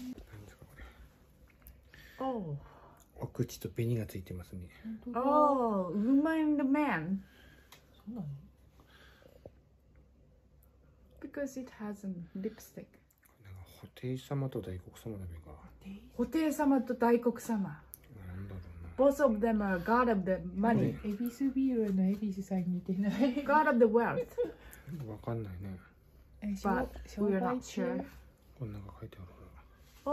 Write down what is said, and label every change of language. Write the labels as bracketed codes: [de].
[ja] 何ですかこれ。お口と紅がついてますね。ウーマン・ド・マン。そうなの [en] ?Because it has a lipstick. [ja] なんか、布袋様と大黒様だべか。布袋様と大黒様。 [en] Both of them are god of the money. [ja] エビスビールのエビスさんに似てない。 [en] God of the wealth. [ja] わかんないね。 [en] But we are not sure. [ja] こんなが書いてあるから。